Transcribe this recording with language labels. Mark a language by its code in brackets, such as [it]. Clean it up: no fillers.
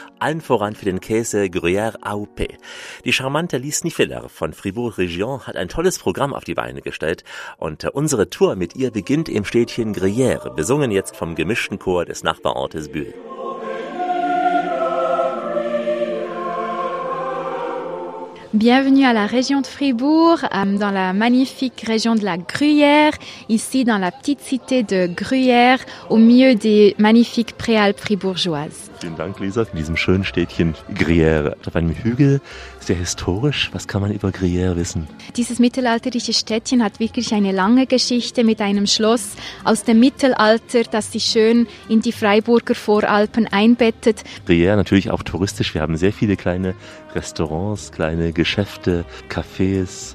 [de] Allen voran für den Käse Gruyère AOP. Die charmante Lise Niffeler von Fribourg Région hat ein tolles Programm auf die Beine gestellt. Und unsere Tour mit ihr beginnt im Städtchen Gruyère, besungen jetzt vom gemischten Chor des Nachbarortes Bühl. [fr] Bienvenue à la région de Fribourg, dans la magnifique région de la Gruyère, ici dans la petite cité de Gruyère, au milieu des magnifiques Préalpes fribourgeoises. [de] Vielen Dank, Lisa, in diesem schönen Städtchen Gruyère. Auf einem Hügel, sehr historisch. Was kann man über Gruyère wissen? Dieses mittelalterliche Städtchen hat wirklich eine lange Geschichte mit einem Schloss aus dem Mittelalter, das sich schön in die Freiburger Voralpen einbettet. Gruyère natürlich auch touristisch. Wir haben sehr viele kleine Restaurants, kleine Geschäfte, Cafés.